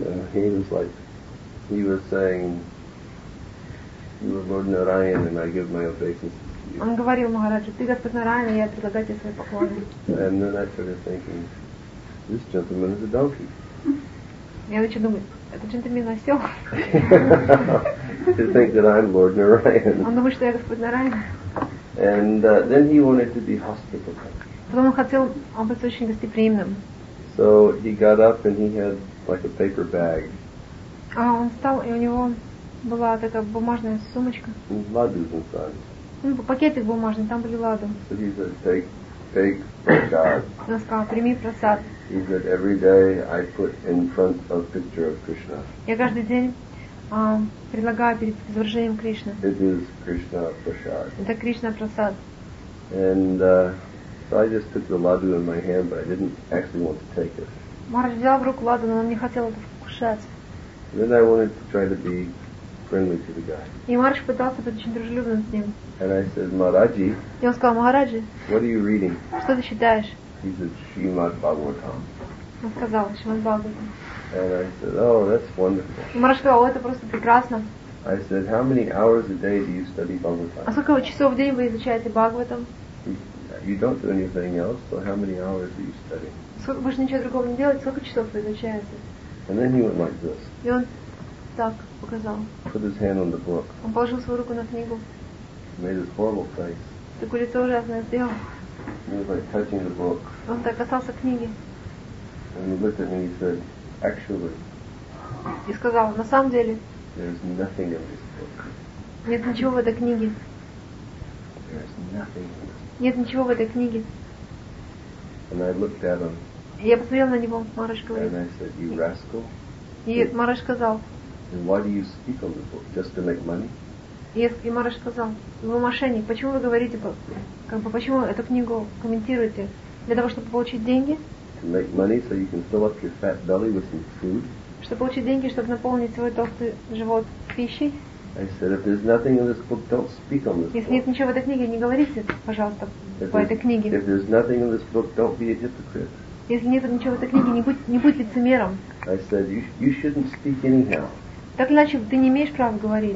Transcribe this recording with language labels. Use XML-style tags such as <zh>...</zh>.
<en>He was like, he was saying, you are Lord Narayan and I give my obeisances to you.</en> <ru>Он говорил Махараджу, ты Господь Нараяна, я предлагаю тебе свои поклоны.</ru> <en>And then I started thinking, this gentleman is a donkey.</en> <ru>Я начал думать, этот джентльмен осел.</ru> <en>To think that I'm Lord Narayan.</en> <ru>Он думает, что я Господь Нараяна.</ru> <en>And then he wanted to be hospitable.</en> <ru>Потом он хотел быть очень гостеприимным.</ru> <en>So he got up and he had like a paper bag.</en> <ru>А он встал и у него была такая бумажная сумочка.</ru> <en>Ладус inside.</en> <ru>Ну пакетик бумажный, там были лады.</ru> <en>So he said, take prasad.</en> <ru>Он сказал, прими прасад.</ru> <en>He said, every day I put in front of picture of Krishna.</en> <ru>Я каждый день предлагаю перед изображением Кришны.</ru> <en>It is Krishna prasad.</en> <ru>Это Кришна прасад.</ru> <en>And so I just took the ladu in my hand, but I didn't actually want to take it.</en> <ru>Марш взял в руку ладу, но он не хотел это вкушать.</ru> <en>Then I wanted to try to be friendly to the guy.</en> <ru>И Марш пытался быть очень дружелюбным с ним.</ru> <en>And I said, Maharaji.</en> <ru>И он сказал, Махараджи.</ru> <en>What are you reading?</en> <ru>Что ты читаешь?</ru> <en>He said, Shrimad Bhagavatam.</en> <ru>Он сказал, Shrimad Bhagavatam.</ru> <en>And I said, oh, that's wonderful.</en> <ru>И Марш сказал, о, это просто прекрасно.</ru> <en>I said, how many hours a day do you study Bhagavatam?</en> <ru>А сколько часов в день вы изучаете Бхагаватам?</ru> <en>You don't do anything else, so how many hours do you study?</en> <ru>Вы же ничего другого не делаете, сколько часов вы изучаете?</ru> <en>And then he went like this.</en> <ru>И он так показал.</ru> <en>Put his hand on the book.</en> <ru>Он положил свою руку на книгу.</ru> <en>Made his horrible face.</en> <ru>Такое лицо ужасное сделал.</ru> <en>He was like touching the book.</en> <ru>Он так касался книги.</ru> <en>And he looked at me and he said, actually.</en> <ru>И сказал, на самом деле.</ru> <en>There's nothing in this book.</en> <ru>Нет ничего в этой книге.</ru> <en>There's nothing.</en> <ru>Нет ничего в этой книге.</ru> <en>And I looked at him.</en> <ru>Я посмотрел на него, Мараш говорит.</ru> <en>And I said, you rascal.</en> <ru>И Мараш сказал.</ru> <en>And why do you speak on the book? Just to make money?</en> <ru>И Мараш сказал, вы мошенник, почему вы говорите, как бы, почему эту книгу комментируете? Для того, чтобы получить деньги?</ru> <en>To make money so you can fill up your fat belly with some food?</en> <ru>Чтобы получить деньги, чтобы наполнить свой толстый живот пищей?</ru> <en>I said, if there's nothing in this book, don't speak on this.</en> <ru>Если нет ничего в этой книге, не говорите, пожалуйста, по этой книге.</ru> <en>If there's nothing in this book, don't be a hypocrite.</en> <ru>Если нет ничего в этой книге, не будь лицемером.</ru> <en>I said, you shouldn't speak anyhow.</en> <ru>Так иначе ты не имеешь права говорить.</ru>